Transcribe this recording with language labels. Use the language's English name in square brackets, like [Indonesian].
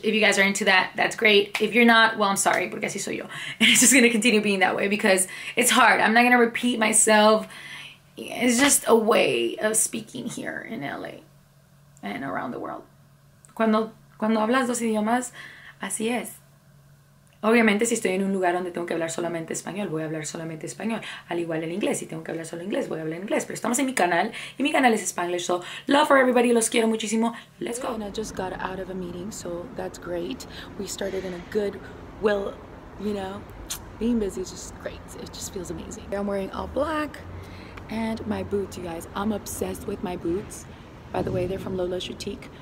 [English] If you guys are into that, that's great. If you're not, well, I'm sorry, [Spanish] porque así soy yo. [English] And it's just gonna continue being that way because it's hard. I'm not gonna repeat myself. It's just a way of speaking here in LA and around the world. [Spanish] Cuando hablas dos idiomas, así es. Obviamente, si estoy en un lugar donde tengo que hablar solamente español, voy a hablar solamente español. Al igual el inglés, si tengo que hablar solo inglés, voy a hablar inglés. Pero estamos en mi canal, y mi canal es Spanglish. [English] So, love for everybody, [Spanish] los quiero muchísimo. [English] Let's go. And I just got out of a meeting, so that's great. We started in a good, well, you know, Being busy is just great. It just feels amazing. I'm wearing all black and my boots, you guys. I'm obsessed with my boots. By the way, they're from Lola Chutique.